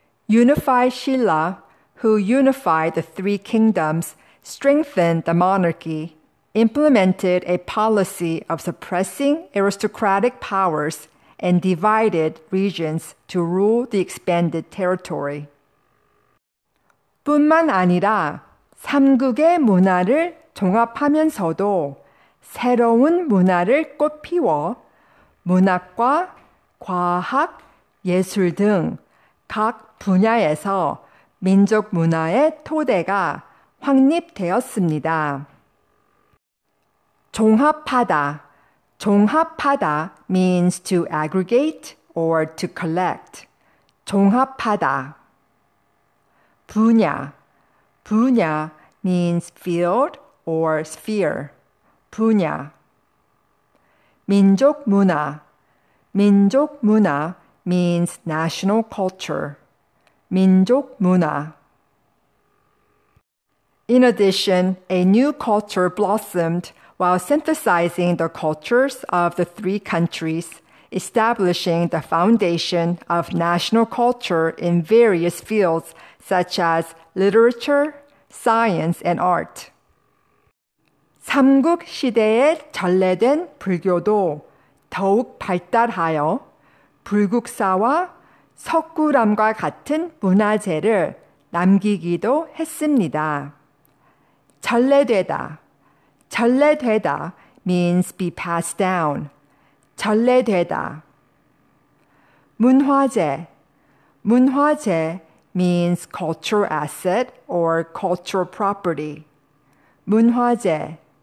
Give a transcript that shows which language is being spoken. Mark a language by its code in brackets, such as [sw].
[en] Unify Shilla, who unified the three kingdoms, strengthened the monarchy, implemented a policy of suppressing aristocratic powers, and divided regions to rule the expanded territory. [ko] 뿐만 아니라 삼국의 문화를 종합하면서도 새로운 문화를 꽃피워 문학과 과학, 예술 등 각 분야에서 민족 문화의 토대가 확립되었습니다. 종합하다, [en] 종합하다 means to aggregate or to collect. [ko] 종합하다. 분야. [en] 분야 means field or sphere. 분야. [ko] 민족 문화. [en] 민족 문화 means national culture. [ko] 민족 문화. [en] In addition, a new culture blossomed while synthesizing the cultures of the three countries, establishing the foundation of national culture in various fields such as literature, science, and art. [ko] 삼국 시대에 전래된 불교도 더욱 발달하여 불국사와 석굴암과 같은 문화재를 남기기도 했습니다. 전래되다. [en] 전래되다 means be passed down. [ko] 전래되다. 문화재. [en] 문화재 means cultural asset or cultural property. 문화재.